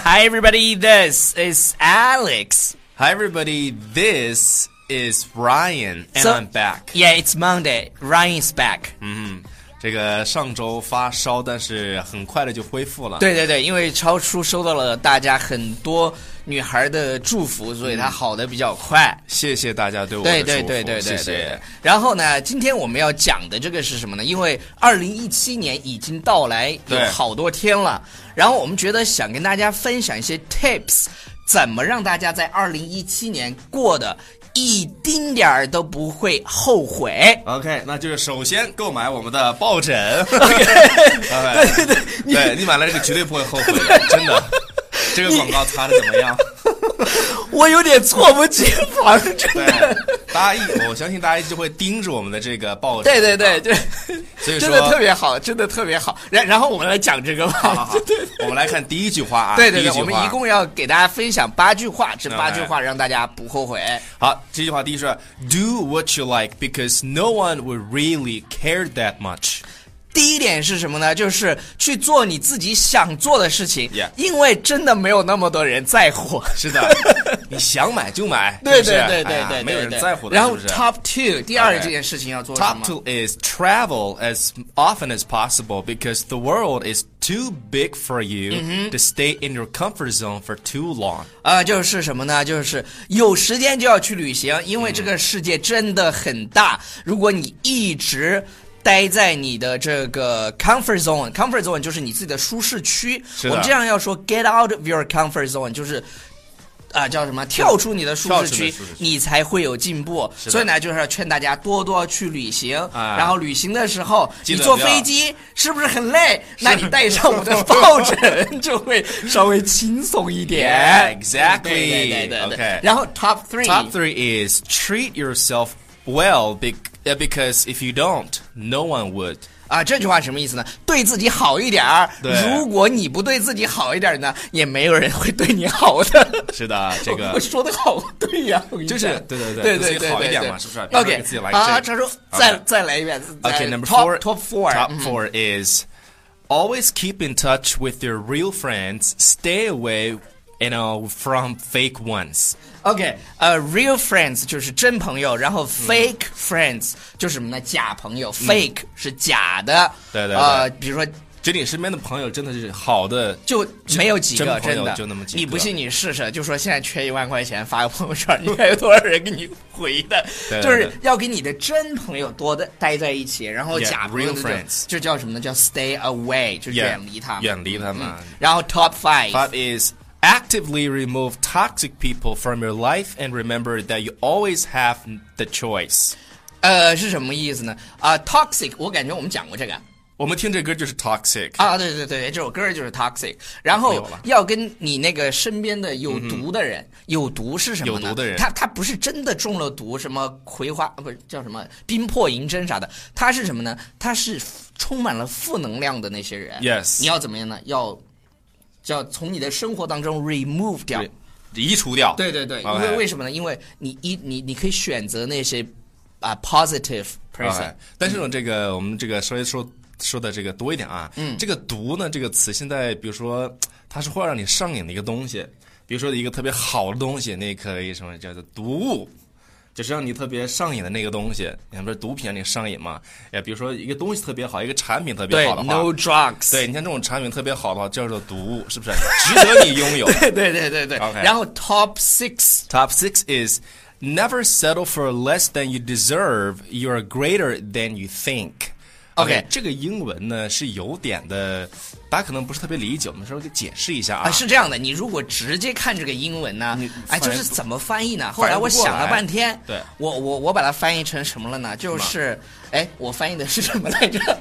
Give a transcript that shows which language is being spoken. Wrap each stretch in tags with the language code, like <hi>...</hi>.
<en>Hi everybody, this is Alex. Hi everybody, this is Ryan, and so, I'm back. Yeah, it's Monday. Ryan is back.</en> <zh>这个上周发烧，但是很快的就恢复了。对对对，因为超叔收到了大家很多女孩的祝福，所以他好的比较快。谢谢大家对我的祝福。对对对对对，谢谢。然后呢，今天我们要讲的这个是什么呢？因为2017年已经到来有好多天了，然后我们觉得想跟大家分享一些 tips， 怎么让大家在2017年过得一丁点儿都不会后悔。 OK， 那就是首先购买我们的抱枕。 Okay, 对对对，你买了这个绝对不会后悔的，真的。这个广告擦的怎么样？我有点措不及防，真的。大家我相信大家就会盯着我们的这个抱枕。对对对，就所以说真的特别好，真的特别好。然后我们来讲这个吧。好好好，我们来看第一句话啊。对对对，我们一共要给大家分享八句话，这八句话让大家不后悔。好，这句话第一是</zh> <en>Do what you like because no one would really care that much。</en> <zh>第一点是什么呢？就是去做你自己想做的事情、</zh> <en>yeah.</en> <zh>因为真的没有那么多人在乎。是的，你想买就买。对对对对对，没有人在乎的。然后 top two 第二件事情要做什么、</zh> <en>okay. top two is travel as often as possible because the world is too big for you、 mm-hmm. to stay in your comfort zone for too long、</en> <zh>就是什么呢，就是有时间就要去旅行，因为这个世界真的很大、mm-hmm. 如果你一直待在你的这个 comfort zone， comfort zone 就是你自己的舒适区。是的，我们这样要说</zh> <en>get out of your comfort zone，</en> <zh>就是叫什么，跳出你的舒适 区，你才会有进步。所以呢，就是要劝大家多多去旅行、然后旅行的时候你坐飞机是不是很累，那你带上我的抱枕就会稍微轻松一点。</zh> <en>yeah, exactly，</en> <zh>对对对对对对、</zh> <en>okay.</en> <zh>然后 top three，</zh> <en>top three is treat yourself well becauseYeah, because if you don't, no one would.</en> <zh>这句话什么意思呢？对自己好一点儿。对。如果你不对自己好一点呢，也没有人会对你好的。是的，这个。我说的好对呀、就是对对对。对对对。自己好一点嘛，对对对对，是不是 ？OK， 给自己来一句。再来一遍。</zh> <en>Okay, number four. Top four. Top four is always keep in touch with your real friends. Stay away, you know, from fake ones.</en> <zh>OK, real friends 就是真朋友，然后 fake friends 就是什么呢？假朋友。fake 是假的。对对对。比如说就你身边的朋友真的是好的，就没有几个，真的朋友就那么几个。你不信你试试，就说现在缺10000块钱发个朋友圈，你看有多少人给你回的。对对对，就是要跟你的真朋友多的待在一起，然后假朋友</zh> <en>yeah, friends</en> <zh>就叫什么呢，叫</zh> <en>stay away，</en> <zh>就远离他们。远离他们、然后 top five</zh> <en>is actively remove toxic people from your life and remember that you always have the choice.</en> <zh>是什么意思呢？ toxic， 我感觉我们讲过这个。我们听这歌就是 toxic。对对对，这首歌就是 toxic。然后要跟你那个身边的有毒的人，有毒是什么呢？有毒的人，他不是真的中了毒，什么葵花不是叫什么冰魄银针啥的，他是什么呢？他是充满了负能量的那些人。</zh> <en>Yes，</en> <zh>你要怎么样呢？要。叫从你的生活当中 remove 掉，移除掉。对对对， okay. 因为什么呢？因为你可以选择那些</zh> <en>positive person。 Okay.</en> <zh>但是呢，这个我们这个稍微说的这个多一点啊。嗯。这个毒呢，这个词现在比如说它是会让你上瘾的一个东西，比如说一个特别好的东西，那可以什么叫做毒物，就是让你特别上瘾的那个东西，你不是毒品让你上瘾吗？比如说一个东西特别好，一个产品特别好的话，对 ，</zh> <en>no drugs。</en> <zh>对，你像这种产品特别好的话，叫做毒物，是不是？值得你拥有。对对对对。</zh> <en>Okay.</en> <zh>然后 top six，</zh> <en>top six is never settle for less than you deserve. You are greater than you think. OK，</en> <zh>这个英文呢是有点的，大家可能不是特别理解，我们稍微给解释一下是这样的，你如果直接看这个英文呢，就是怎么翻译呢？后来我想了半天，对，我把它翻译成什么了呢？就是，我翻译的是什么来着？</zh>